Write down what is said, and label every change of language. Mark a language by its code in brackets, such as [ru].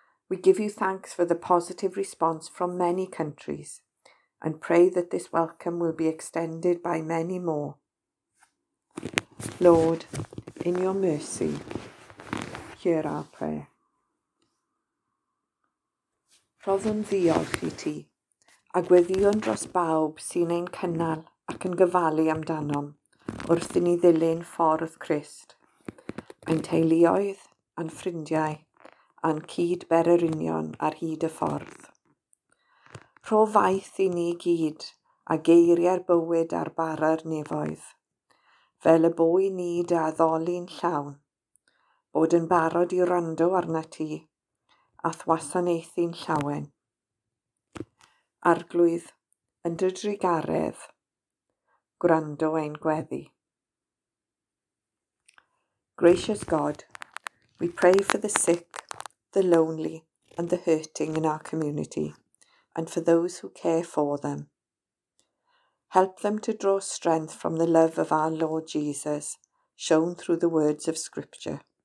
[en] We give you thanks for the positive response from many countries, and pray that this welcome will be extended by many more. Lord, in your mercy, hear our prayer. [cy] Rhoddwn ddiolch i ti, a gweddion dros bawb sy'n ein cynnal ac yn gofalu amdanom wrth i ni ddilyn ffordd Crist, ein teuluoedd, a'n ffrindiau, a'n cyd-bererinion ar hyd y ffordd. Rho faith i ni gyd a geiriau'r bywyd ar bara'r nefoedd, fel y bwy ni dy addoli'n llawn, bod yn barod i rando arna ti, a thwasanaethu'n llawen. arglwydd yn dy drigaredd, gwrando ein gweddi. [en] Gracious God, we pray for the sick, the lonely and the hurting in our community and for those who care for them. Help them to draw strength from the love of our Lord Jesus, shown through the words of Scripture.